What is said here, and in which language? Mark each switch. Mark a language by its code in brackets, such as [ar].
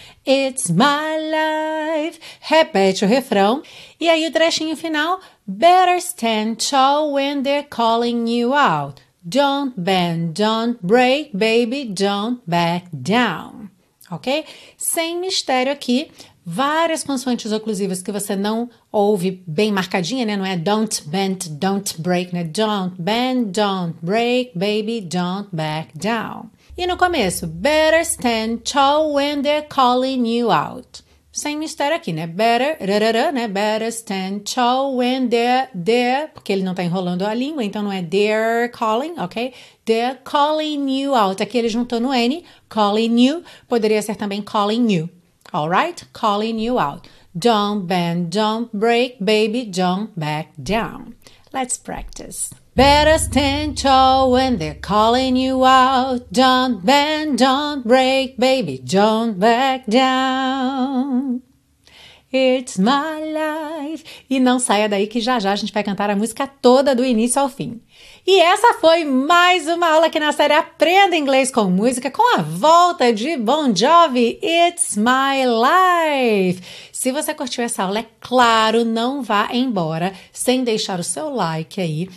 [en] It's my life. [pt] Repete o refrão. E aí o trechinho final. [en] Better stand tall when they're calling you out. Don't bend, don't break, baby, don't back down. [pt] Ok? Sem mistério aqui. Várias consoantes oclusivas que você não ouve bem marcadinha, né? Não é [en] don't bend, don't break, [pt] né? [en] Don't bend, don't break, baby, don't back down. [pt] E no começo, [en] better stand tall when they're calling you out. [pt] Sem mistério aqui, né? Better, rarara, né? [en] Better stand tall when they're, [pt] porque ele não tá enrolando a língua, então não é they're calling, ok? [en] They're calling you out. [pt] Aqui ele juntou no N, calling you, poderia ser também calling you. [en] Alright? Calling you out. Don't bend, don't break, baby, don't back down. Let's practice. Better stand tall when they're calling you out. Don't bend, don't break, baby, don't back down. It's my life. [pt] E não saia daí que já já a gente vai cantar a música toda do início ao fim. E essa foi mais uma aula aqui na série Aprenda Inglês com Música, com a volta de Bon Jovi, It's My Life. Se você curtiu essa aula, é claro, não vá embora sem deixar o seu like aí.